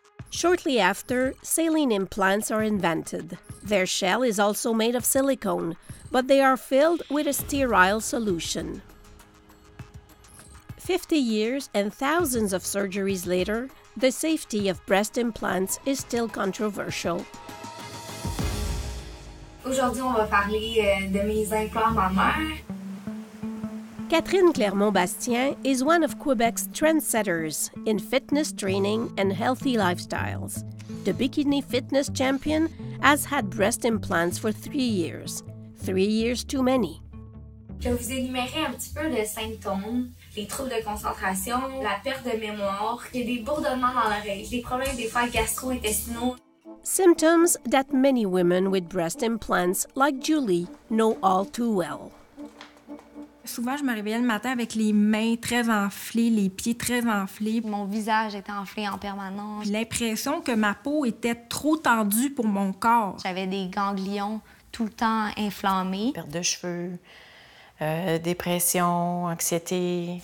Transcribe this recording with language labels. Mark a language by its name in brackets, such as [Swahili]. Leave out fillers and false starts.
[English] Shortly after, saline implants are invented. Their shell is also made of silicone, but they are filled with a sterile solution. 50 years and thousands of surgeries later, the safety of breast implants is still controversial. [French] Aujourd'hui, on va parler de mes implants mammaires. [English] Catherine Clermont-Bastien is one of Quebec's trendsetters in fitness training and healthy lifestyles. The bikini fitness champion has had breast implants for 3 years. 3 years too many. [French] Je vais vous énumérer un petit peu les symptômes, les troubles de concentration, la perte de mémoire, j'ai des bourdonnements dans l'oreille, des problèmes des fois gastro-intestinaux. [English] Symptoms that many women with breast implants, like Julie, know all too well. [French] Souvent, je me réveillais le matin avec les mains très enflées, les pieds très enflés. Mon visage était enflé en permanence. Puis l'impression que ma peau était trop tendue pour mon corps. J'avais des ganglions tout le temps inflammés. Perte de cheveux. Dépression, anxiété.